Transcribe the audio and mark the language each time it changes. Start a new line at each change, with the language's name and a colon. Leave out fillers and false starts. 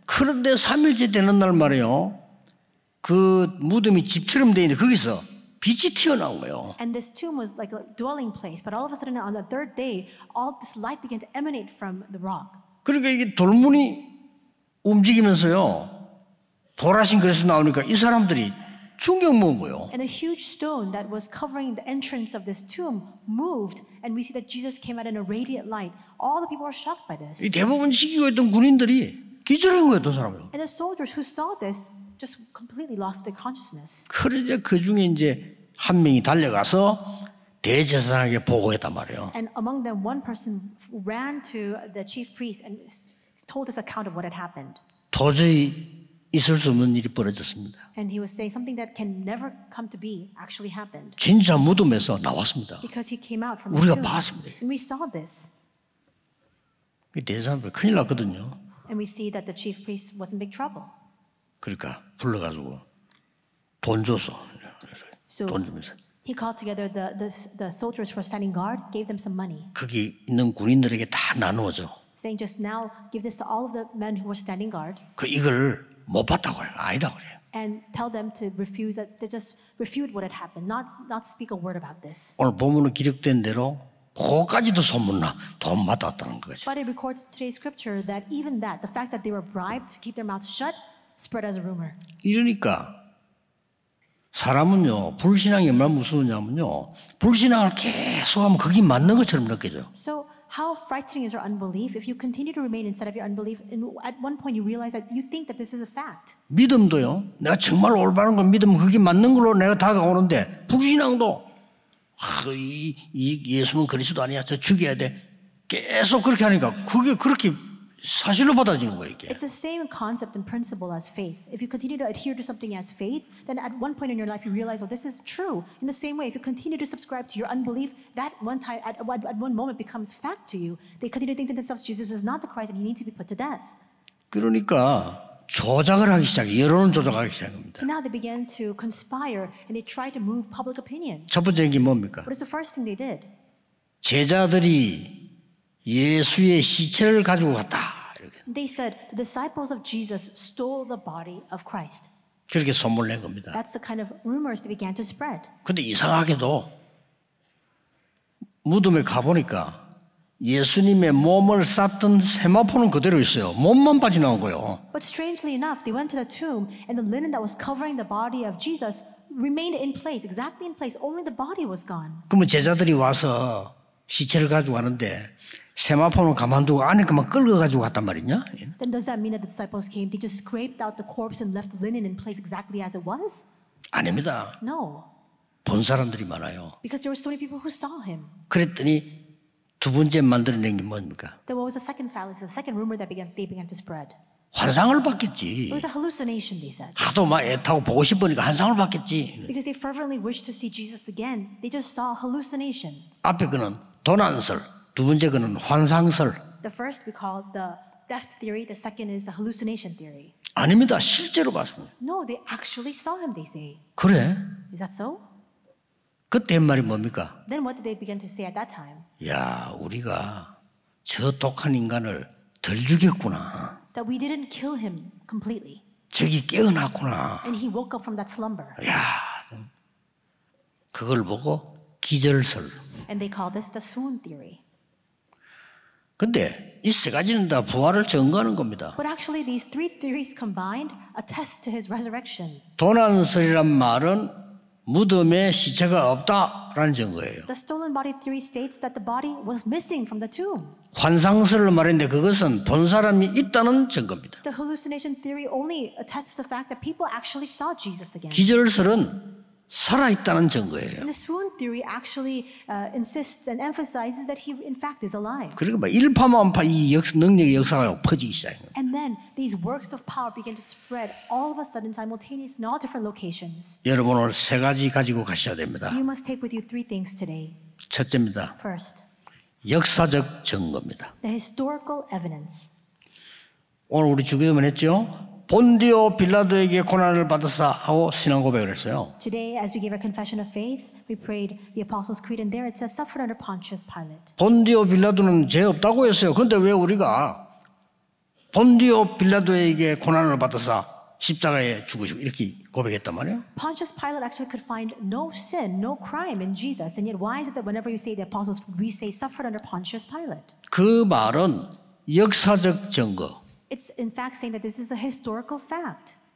Korean: 그런데 3일째 되는 날 말이요, 그 무덤이 집처럼 돼 있는데 거기서 빛이 튀어나온 거예요.
English: And this tomb was like a dwelling place, but all of a sudden on the third day, all this light began to emanate from the rock.
Korean: 그러니까 이게 돌문이 움직이면서요, 보라신 그래서 나오니까 이 사람들이 충격 먹은 거예요.
English: And a huge stone that was covering the entrance of this tomb moved, and we see that Jesus came out in a radiant light. All the people were shocked by this.
Korean: 이 대부분 지키고 있던 군인들이 기절한 거예요, 두 사람이.
English: And the soldiers who saw this just completely lost their consciousness.
Korean: 그러자 그 중에 이제 한 명이 달려가서 대제사장에게 보고했단 말이에요.
English: And among them, one person ran to the chief priest and told his account of what had happened.
Korean: 도저히 있을 수 없는 일이 벌어졌습니다.
English: And he was saying something that can never come to be actually happened.
Korean: 진짜 무덤에서 나왔습니다.
English: Because he came out from
Korean: 우리가
English: the tomb.
Korean: 봤습니다.
English: And we saw this.
Korean: 대제사장 큰일 났거든요.
English: And we see that the chief priest was in big trouble.
Korean: 그러니까 불러가지고 돈 줘서 돈 주면서.
English: He called together the soldiers who were standing guard, gave them some money.
Korean: 거기 있는 군인들에게 다 나누어줘.
English: Saying just now, give this to all of the men who were standing guard.
Korean: 그 이걸 못 봤다고 해요. 아니다 그래.
English: And tell them to refuse that they just refute what had happened, not speak a word about this. 오늘 본문에 기록된 대로 그거까지도 소문나 돈 받았다는 거지. But it records today's scripture that even that, the fact that they were bribed to keep their mouth shut. Spread as a rumor.
Korean: 이러니까 사람은요 불신앙이 얼마나 무서우냐면요 불신앙을 계속하면 그게 맞는 것처럼 느껴져.
English: So how frightening is your unbelief? If you continue to remain inside of your unbelief, at one point you realize that you think that this is a fact.
Korean: 믿음도요. 내가 정말 올바른 걸 믿으면 그게 맞는 걸로 내가 다가오는데 불신앙도 이 예수는 그리스도 아니야. 저 죽여야 돼. 계속 그렇게 하니까 그게 그렇게. 사실로 받아지는 거예요, 이게.
English: It's the same concept and principle as faith. If you continue to adhere to something as faith, then at one point in your life you realize, oh, this is true. In the same way, if you continue to subscribe to your unbelief, that one time at one moment becomes fact to you. They continue to think to themselves, Jesus is not the Christ, and he needs to be put to death.
Korean: 그러니까 조작을 하기 시작해. 여론을 조작하기 시작합니다.
English: So now they began to conspire and they tried to move public opinion.
Korean: 첫 번째인 게 뭡니까?
English: What is the first thing they did?
Korean: 제자들이 예수의 시체를 가지고 갔다. 이렇게.
English: They said the disciples of Jesus stole the body of Christ.
Korean: 그렇게 소문 낸 겁니다.
English: That's the kind of rumors that began to spread.
Korean: 근데 이상하게도 무덤에 가 보니까 예수님의 몸을 쌌던 세마포는 그대로 있어요. 몸만 빠져나온 거예요.
English: But strangely enough, they went to the tomb and the linen that was covering the body of Jesus remained in place, exactly in place. Only the body was gone.
Korean: 그러면 제자들이 와서 시체를 가지고 왔는데 세마포는 가만두고 안에 그만 끌어가지고 갔단 말이냐?
English: Then does that mean that the disciples came? They just scraped out the corpse and left the linen in place exactly as it was?
Korean: 아닙니다.
English: No.
Korean: 본 사람들이 많아요.
English: Because there were so many people who saw him.
Korean: 그랬더니 두 번째 만들어낸 게 뭡니까?
English: Then what was the second fallacy, the second rumor that they began to spread?
Korean: 환상을 봤겠지.
English: It was a hallucination, they said.
Korean: 하도 막 애타고 보고 싶으니까 환상을 봤겠지.
English: Because they fervently wished to see Jesus again, they just saw hallucination.
Korean: 앞에 그는 도난설. 두 번째 거는 환상설.
English: The first we call the death theory. The second is the hallucination theory.
Korean: 아닙니다. 실제로 봤습니다.
English: No, they actually saw him. They say.
Korean: 그래?
English: Is that so?
Korean: 그때 말이 뭡니까?
English: Then what did they begin to say at that time?
Korean: 야, 우리가 저 독한 인간을 덜 죽였구나.
English: That we didn't kill him completely.
Korean: 저기 깨어났구나.
English: And he woke up from that slumber.
Korean: 야, 그걸 보고 기절설.
English: And they call this the swoon theory.
Korean: 근데 이 세 가지는 다 부활을 증거하는 겁니다.
English: But actually these three theories combined attest to his resurrection.
Korean: 도난설이란 말은 무덤에 시체가 없다라는 증거예요.
English: The stolen body theory states that the body was missing from the tomb.
Korean: 환상설로 말인데 그것은 본 사람이 있다는 증거입니다.
English: The hallucination theory only attests to the fact that people actually saw Jesus again.
Korean: 기절설은 살아 있다는 증거예요.
English: And the swoon theory actually insists and emphasizes that he in fact is alive.
Korean: 그리고 막 일파만파 이 능력의 역사가 퍼지기 시작해요.
English: And then these works of power begin to spread all of a sudden simultaneously in all different locations.
Korean: 여러분 오늘 세 가지 가지고 가셔야 됩니다.
English: You must take with you three things today.
Korean: 첫째입니다.
English: First.
Korean: 역사적 증거입니다.
English: The historical evidence.
Korean: 오늘 우리 주기도문 했죠? 본디오 빌라도에게 고난을 받았사 하고 신앙 고백을 했어요.
English: Today as we gave our confession of faith, we prayed the Apostles' Creed and there it says suffered under Pontius Pilate.
Korean: 본디오 빌라도는 죄 없다고 했어요. 근데 왜 우리가 본디오 빌라도에게 고난을 받았사 십자가에 죽으시고 이렇게 고백했단 말이에요?
English: Pontius Pilate actually could find no sin, no crime in Jesus. And yet why is it that whenever you say the Apostles' Creed, we say suffered under Pontius Pilate?
Korean: 그 말은 역사적 증거.
English: It's in fact saying that this is a historical fact.